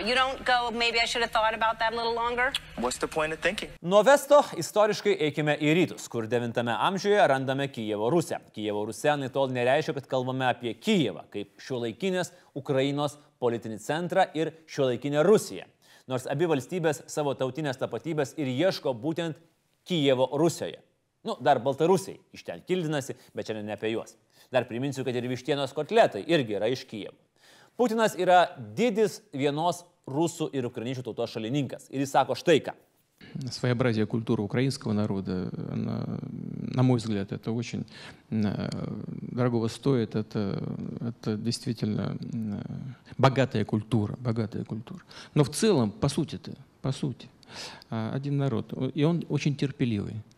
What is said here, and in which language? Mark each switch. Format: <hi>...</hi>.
<en>You don't go, maybe I should have thought about that a little longer. What's the point of thinking?</en> <lt>Nuo Vesto istoriškai eikime į rytus, kur 9 amžiuje randame Kijevo Rusę. Kijevo Rusė netol nereiškia, kad kalbame apie Kijevą, kaip šiuolaikinės Ukrainos politinį centrą ir šiuolaikinę Rusiją. Nors abi valstybės savo tautinės tapatybės ir ieško būtent Kijevo Rusijoje. Nu, dar Baltarusiai iš ten kildinasi, bet čia ne apie juos. Dar priminsiu, kad ir vištienos kotletai irgi yra iš Kijevo. Putinas yra didis vienos rusų ir ukrainiečių tautos šalininkas. Ir jis sako štai ką.</lt> <ru>Своеобразие культуры украинского народа, она, на мой взгляд, это очень дорогого стоит, это действительно богатая культура. Но в целом, по сути, один народ, и он очень терпеливый.</ru>